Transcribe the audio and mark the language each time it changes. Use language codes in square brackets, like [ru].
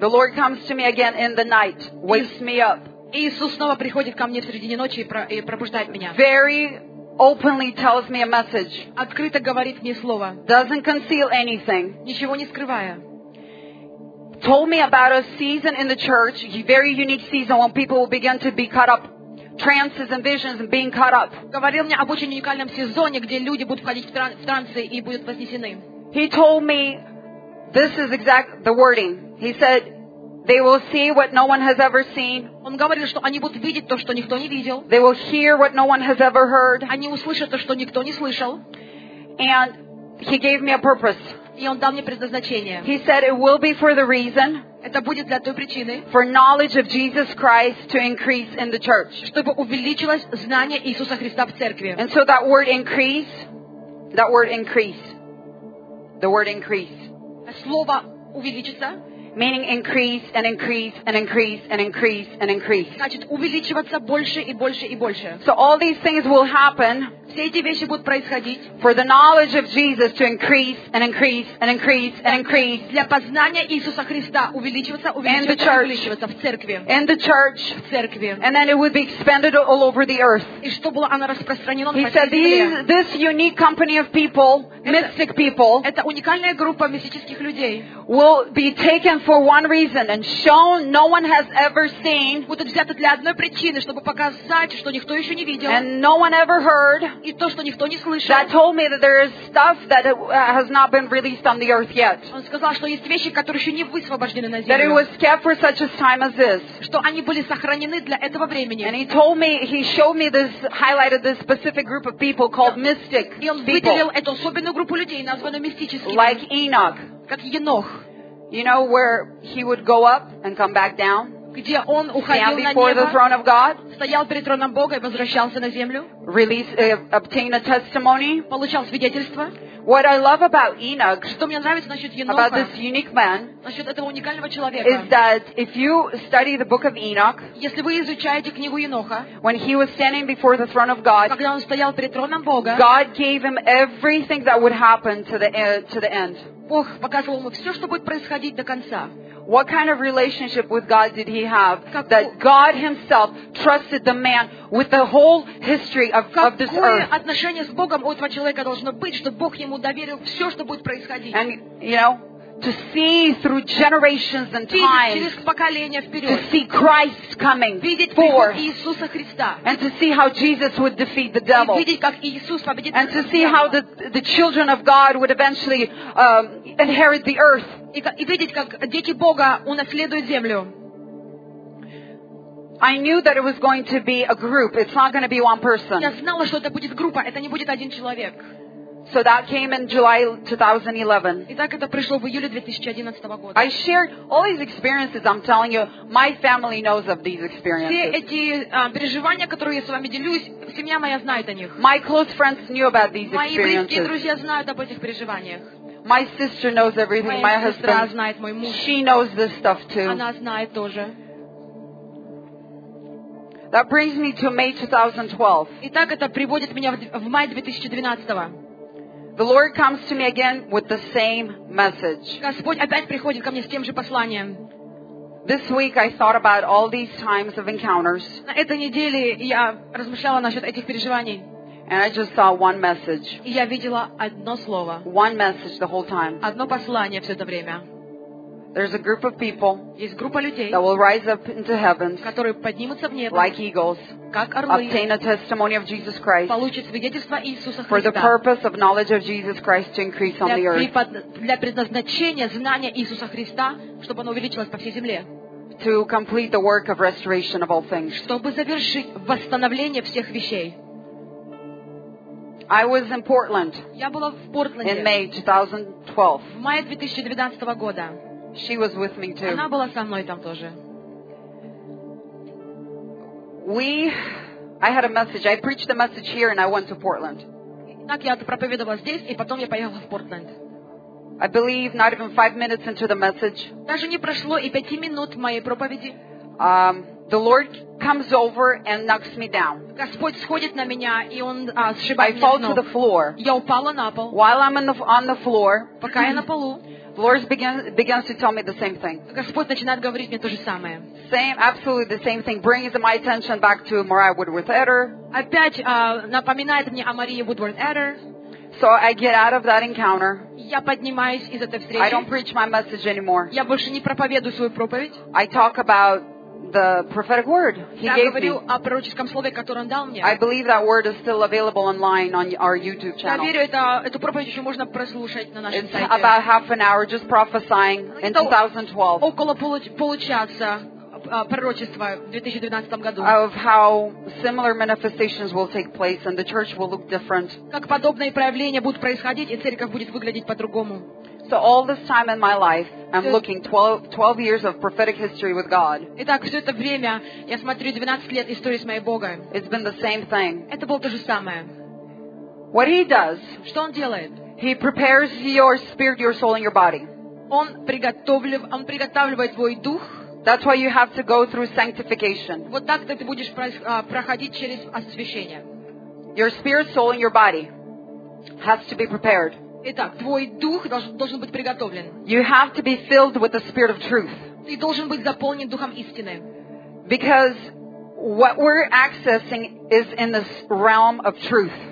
[en] The Lord comes to me again in the night, wakes me up. [ru] Иисус снова приходит ко мне в середине ночи и пробуждает меня. [en] Very openly tells me a message. [ru] Открыто говорит мне слово. [en] Doesn't conceal anything. [ru] Ничего не скрывая. [en] Told me about a season in the church, a very unique season when people will begin to be caught up, trances and visions and being caught up. [ru] Говорил мне об очень уникальном сезоне, где люди будут входить в трансы и будут вознесены. [en] He told me, this is exact the wording. He said, they will see what no one has ever seen. [ru] Он говорил, что они будут видеть то, что никто не видел. [en] They will hear what no one has ever heard. [ru] Они услышат то, что никто не слышал. [en] And he gave me a purpose. [ru] И он дал мне предназначение. [en] He said it will be for the reason. [ru] Это будет для той причины. [en] For knowledge of Jesus Christ to increase in the church. [ru] Чтобы увеличилось знание Иисуса Христа в церкви. [en] And so that word increase, that word increase, the word increase. [ru] Слово увеличится. [en] Meaning increase and increase and increase and increase and increase. [ru] Значит, увеличиваться больше и больше и больше. [en] So all these things will happen. [ru] Все эти вещи будут происходить. [en] For the knowledge of Jesus to increase and increase and increase and increase. [ru] Для познания Иисуса Христа увеличиваться, увеличиваться, увеличиваться в церкви. [en] In the church. [ru] В церкви. [en] And then it would be expanded all over the earth. [ru] И что было оно распространено на всей земле. [en] He said this unique company of people, mystic people. [ru] Это уникальная группа мистических людей. [en] Will be taken for one reason and shown no one has ever seen. [ru] Будут взяты для одной причины, чтобы показать, что никто еще не видел. [en] And no one ever heard. [ru] И то, что никто не слышал. [en] That told me that there is stuff that has not been released on the earth yet. [ru] Он сказал, что есть вещи, которые еще не высвобождены на землю. [en] That it was kept for such a time as this. [ru] Что они были сохранены для этого времени. [en] And he told me, he showed me this, highlighted this specific group of people called mystic people. [ru] И он выделил эту особенную группу людей, названную мистическими. [en] Like Enoch. [ru] Как Енох. [en] You know where he would go up and come back down? [ru] Где он уходил на небо? [en] Stand before the throne of God. [ru] Стоял перед троном Бога и возвращался на землю. [en] Release, obtain a testimony. [ru] Получал свидетельство. [en] What I love about Enoch. [ru] Что мне нравится насчет Еноха? [en] About this unique man. [ru] Насчет этого уникального человека. [en] Is that if you study the book of Enoch? [ru] Если вы изучаете книгу Еноха. [en] When he was standing before the throne of God. [ru] Когда он стоял перед троном Бога. [en] God gave him everything that would happen to the end. [ru] Бог показывал ему все, что будет происходить до конца. [en] What kind of relationship with God did he have that God himself trusted the man with the whole history of this earth? [ru] Какое отношение с Богом у этого человека должно быть, чтобы Бог ему доверил все, что будет происходить? [en] And, you know, to see through generations and times, to see Christ coming forth, and to see how Jesus would defeat the devil, and to see how the children of God would eventually inherit the earth. [ru] И видеть, как дети Бога унаследуют землю. [en] I knew that it was going to be a group. It's not going to be one person. [ru] Я знала, что это будет группа. Это не будет один человек. [en] So that came in July 2011. [ru] И так это пришло в июле 2011 года. [en] I shared all these experiences. I'm telling you, my family knows of these experiences. [ru] Все эти переживания, которые я с вами делюсь, семья моя знает о них. [en] My close friends knew about these experiences. [ru] Мои близкие друзья знают об этих переживаниях. [en] My sister knows everything. [ru] Моя [en] my husband. [ru] Знает, мой муж. [en] She knows this stuff too. [ru] Она знает тоже. [en] That brings me to May 2012. [ru] Итак, это приводит меня в май 2012-го. [en] The Lord comes to me again with the same message. [ru] Господь опять приходит ко мне с тем же посланием. [en] This week I thought about all these times of encounters. [ru] На этой неделе я размышляла насчет этих переживаний. [en] And I just saw one message. [ru] И я видела одно слово. [en] One message the whole time. [ru] Одно послание все это время. [en] There's a group of people. [ru] Есть группа людей. [en] That will rise up into heavens. [ru] Которые поднимутся в небо. [en] Like eagles. [ru] Как орлы. [en] Obtain a testimony of Jesus Christ. [ru] Получат свидетельство Иисуса Христа. [en] For the purpose of knowledge of Jesus Christ to increase on the earth. [ru] Для предназначения знания Иисуса Христа, чтобы оно увеличилось по всей земле. [en] To complete the work of restoration of all things. [ru] Чтобы завершить восстановление всех вещей. [en] I was in Portland. [ru] Я была в Портленде. [en] In May 2012. [ru] В мае 2012 года. [en] She was with me too. [ru] Она была со мной там тоже. [en] I had a message. I preached the message here and I went to Portland. [ru] Так я проповедовала здесь и потом я поехала в Портленд. [en] I believe not even 5 minutes into the message. [ru] Даже не прошло и 5 минут моей проповеди. [en] The Lord comes over and knocks me down. [ru] Господь сходит на меня и он сшибает меня. [en] I fall to the floor. [ru] Я упала на пол. [en] While I'm on the floor. [ru] Пока я на полу. [en] The Lord begins to tell me the same thing. [ru] Господь начинает говорить мне то же самое. [en] Same, absolutely the same thing. Brings my attention back to Mariah Woodworth Eder. [ru] Опять напоминает мне о Марии Woodworth Eder. [en] So I get out of that encounter. [ru] Я поднимаюсь из этой встречи. [en] I don't preach my message anymore. [ru] Я больше не проповедую свою проповедь. [en] I talk about the prophetic word he [ru] я [en] gave me. [ru] Я говорю о пророческом слове, которое он дал мне. [en] I believe that word is still available online on our YouTube channel. [ru] Я верю, эту проповедь еще можно прослушать на нашем [en] It's [ru] сайте. [en] It's about half an hour just prophesying in 2012. [ru] Около получаса пророчества в 2012 году. [en] Of how similar manifestations will take place and the church will look different. [ru] Как подобные проявления будут происходить и церковь будет выглядеть по-другому. [en] So all this time in my life, I'm looking 12 years of prophetic history with God. [ru] Итак, все это время я смотрю 12 лет истории с моим Богом. [en] It's been the same thing. [ru] Это было то же самое. [en] What He does? [ru] Что Он делает? [en] He prepares your spirit, your soul, and your body. [ru] Он приготавливает твой дух. [en] That's why you have to go through sanctification. [ru] Вот так ты будешь проходить через освящение. [en] Your spirit, soul, and your body has to be prepared. [ru] Итак, твой дух должен быть приготовлен. [en] You have to be filled with the spirit of truth. [ru] Ты должен быть заполнен духом истины. [en] Because what we're accessing is in this realm of truth.